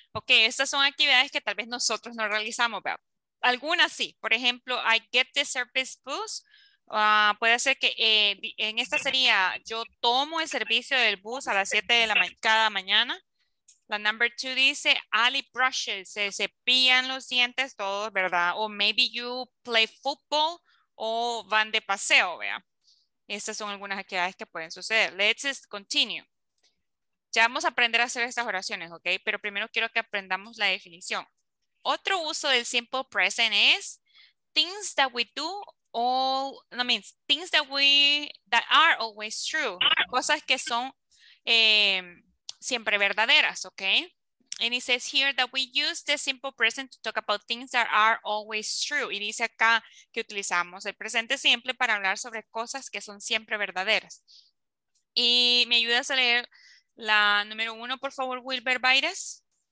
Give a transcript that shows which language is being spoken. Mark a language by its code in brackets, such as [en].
[es] Ok, estas son actividades que tal vez nosotros no realizamos, ¿verdad? Algunas sí. Por ejemplo, [en] I get the service bus. [es] Puede ser que en esta sería, yo tomo el servicio del bus a las 7 de la cada mañana. La number two dice, Ali brushes, se cepillan los dientes todos, ¿verdad? O [en] maybe you play football [es] o van de paseo, vea. Estas son algunas actividades que pueden suceder. [en] Let's just continue. [es] Ya vamos a aprender a hacer estas oraciones, ¿ok? Pero primero quiero que aprendamos la definición. Otro uso del [en] simple present es things that we do all, I mean, things that we, that are always true. [es] Cosas que son siempre verdaderas, ¿ok? [en] And it says here that we use the simple present to talk about things that are always true. [es] Y dice acá que utilizamos el presente simple para hablar sobre cosas que son siempre verdaderas. Y me ayudas a leer la número uno, por favor, Wilber Baires.